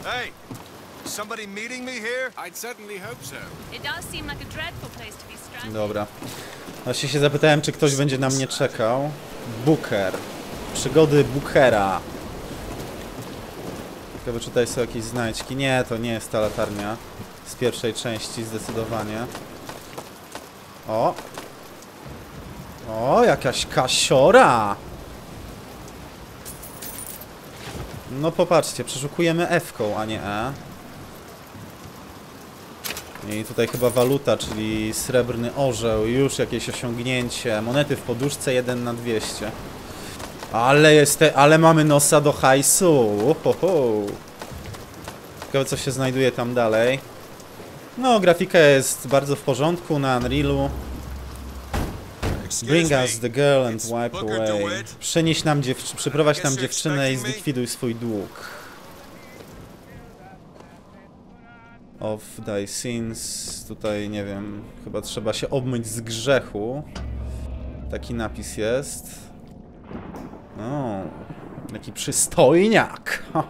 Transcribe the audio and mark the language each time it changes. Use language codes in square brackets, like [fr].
[en] Hey, somebody meeting me here? I'd certainly hope so. It does seem like a dreadful place to be stranded. [pl] Dobra. Właśnie się zapytałem, czy ktoś będzie na mnie czekał. Booker. Przygody Bookera. Ciekawe, czy tutaj są jakieś znajdźki. Nie, to nie jest ta latarnia z pierwszej części, zdecydowanie. O! O, jakaś kasiora! No popatrzcie, przeszukujemy F-ką, a nie E. I tutaj chyba waluta, czyli srebrny orzeł. Już jakieś osiągnięcie. Monety w poduszce, 1 na 200. Ale jest te, ale mamy nosa do hajsu! Ohoho. Ciekawe, co się znajduje tam dalej. No, grafika jest bardzo w porządku na Unrealu. [en] Bring us the girl and wipe away. [pl] Przenieś nam dziewczynę, przyprowadź nam dziewczynę i zlikwiduj swój dług. [en] Of thy sins. [pl] Tutaj nie wiem, chyba trzeba się obmyć z grzechu. Taki napis jest. O, jaki przystojniak!